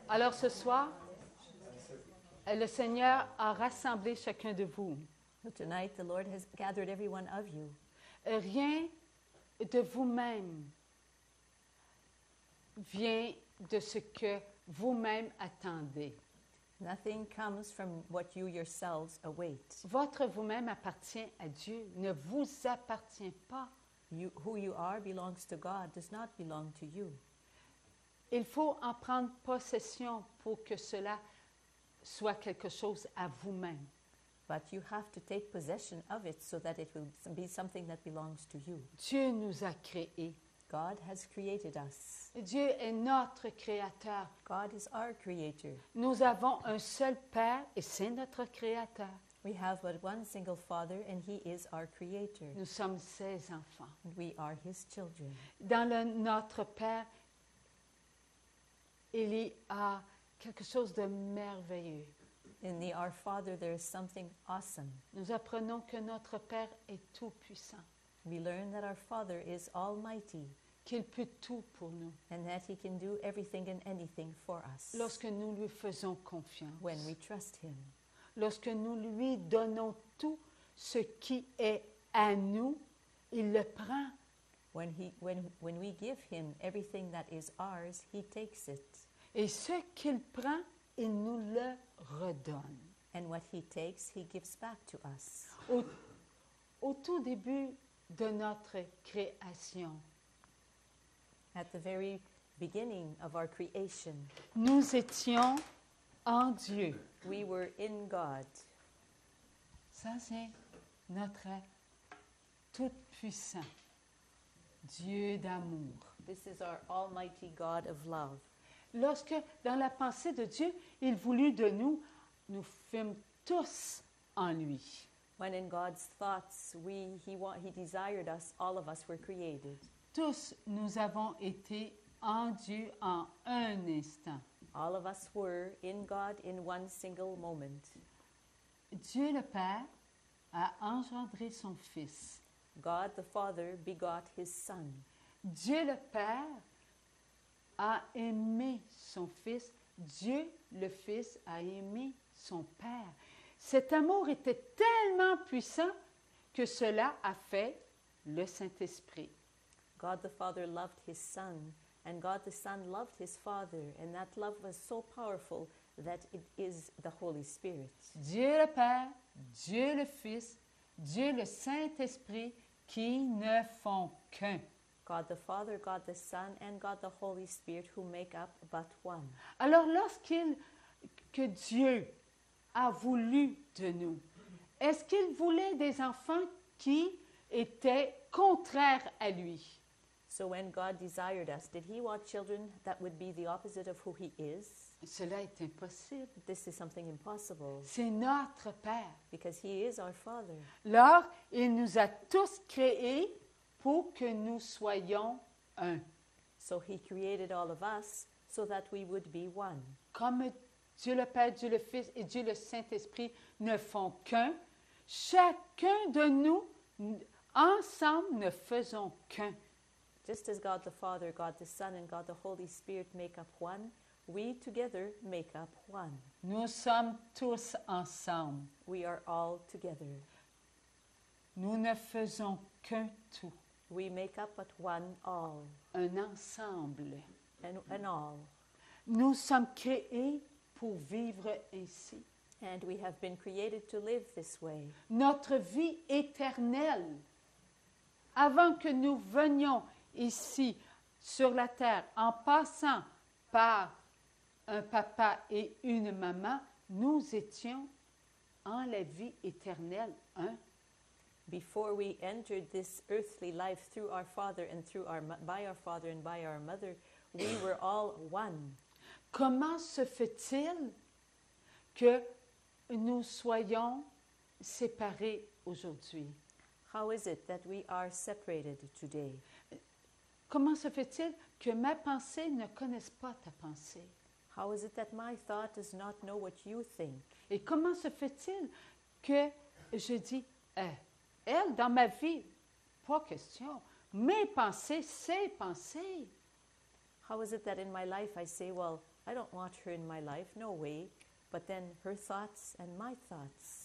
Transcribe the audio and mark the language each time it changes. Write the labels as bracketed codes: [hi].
[fr] Alors ce soir, le Seigneur a rassemblé chacun de vous. [en] Tonight, the Lord has gathered every one of you. [fr] Rien de vous-même vient de ce que vous-même attendez. [en] Nothing comes from what you yourselves await. [fr] Votre vous-même appartient à Dieu, ne vous appartient pas. [en] You, who you are belongs to God, does not belong to you. [fr] Il faut en prendre possession pour que cela soit quelque chose à vous-même. [en] But you have to take possession of it so that it will be something that belongs to you. [fr] Dieu nous a créés. [en] God has created us. [fr] Dieu est notre créateur. [en] God is our creator. [fr] Nous avons un seul Père et c'est notre créateur. [en] We have but one single Father and He is our creator. [fr] Nous sommes ses enfants. [en] We are His children. [fr] Dans le notre Père, il y a quelque chose de merveilleux. [en] In the Our Father, there is something awesome. [fr] Nous apprenons que notre Père est tout puissant. [en] We learn that our Father is almighty. [fr] Qu'il peut tout pour nous. [en] And that He can do everything and anything for us. [fr] Lorsque nous lui faisons confiance. [en] When we trust Him. [fr] Lorsque nous lui donnons tout ce qui est à nous, il le prend. [en] When we give Him everything that is ours, He takes it. [fr] Et ce qu'il prend, il nous le redonne. [en] And what He takes, He gives back to us. [fr] Au tout début de notre création, [en] at the very beginning of our creation, [fr] nous étions en Dieu. [en] We were in God. [fr] Ça, c'est notre tout-puissant Dieu d'amour. [en] This is our almighty God of love. [fr] Lorsque, dans la pensée de Dieu, il voulut de nous, nous fûmes tous en lui. [en] When in God's thoughts, he desired us, all of us were created. [fr] Tous, nous avons été en Dieu en un instant. [en] All of us were in God in one single moment. [fr] Dieu le Père a engendré son Fils. [en] God the Father begot His Son. [fr] Dieu le Père a aimé son Fils. Dieu le Fils a aimé son Père. Cet amour était tellement puissant que cela a fait le Saint-Esprit. [en] God the Father loved His Son. And God the Son loved His Father, and that love was so powerful that it is the Holy Spirit. [fr] Dieu le Père, Dieu le Fils, Dieu le Saint-Esprit qui ne font qu'un. [en] God the Father, God the Son, and God the Holy Spirit who make up but one. [fr] Alors lorsque Dieu a voulu de nous, est-ce qu'il voulait des enfants qui étaient contraires à lui? [en] So when God desired us, did He want children that would be the opposite of who He is? [fr] Cela est impossible. [en] This is something impossible. [fr] C'est notre Père. [en] Because He is our Father. [fr] Alors, il nous a tous créés pour que nous soyons un. [en] So He created all of us so that we would be one. [fr] Comme Dieu le Père, Dieu le Fils et Dieu le Saint-Esprit ne font qu'un, chacun de nous, ensemble, ne faisons qu'un. [en] Just as God the Father, God the Son, and God the Holy Spirit make up one, we together make up one. [fr] Nous sommes tous ensemble. [en] We are all together. [fr] Nous ne faisons qu'un tout. [en] We make up but one all. [fr] Un ensemble. [en] An all. [fr] Nous sommes créés pour vivre ainsi. [en] And we have been created to live this way. [fr] Notre vie éternelle, avant que nous venions ici, sur la terre, en passant par un papa et une maman, nous étions en la vie éternelle, un. [en] Before we entered this earthly life through our father and through our by our father and by our mother, we were all one. [fr] Comment se fait-il que nous soyons séparés aujourd'hui? [en] How is it that we are separated today? [fr] Comment se fait-il que ma pensée ne connaisse pas ta pensée? [en] How is it that my thought does not know what you think? [fr] Et comment se fait-il que je dis elle dans ma vie, pas question, mes pensées, ses pensées? [en] How is it that in my life I say, well, I don't want her in my life, no way. But then her thoughts and my thoughts.